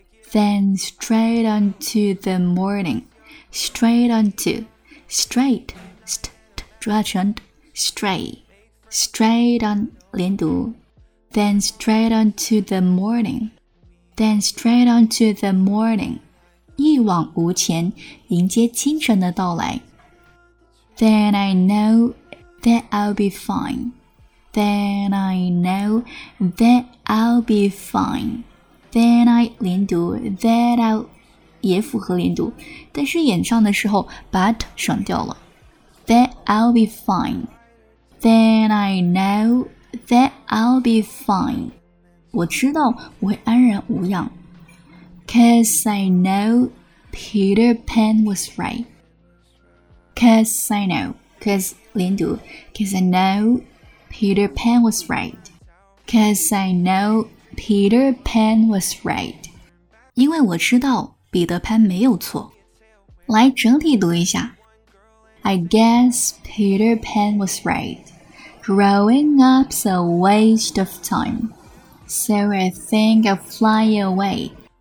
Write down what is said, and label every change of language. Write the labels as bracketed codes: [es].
[en] Then straight on to the morning. Straight on to. Straight. St-t, 主要成 t. Straight. Straight on. 连读。 Then straight on to the morning. Then straight on to the morning. [zh] 一往无前，迎接清晨的到来。 [en] Then I know that I'll be fine. Then I know that I'll be fine. [zh] than I 连读 that I 也符合连读，但是演唱的时候 but 省掉了。 [en] That I'll be fine, then I know that I'll be fine. 我知道我会安然无恙。 Cause I know Peter Pan was right. Cause I know, cause 连读 cause I know Peter Pan was right. Cause I know Peter Pan was right. [zh] 因为我知道彼得潘没有错。 [en] 来整体读一下。 I guess Peter Pan was right. Growing up's a waste of time. So I think I'll fly away.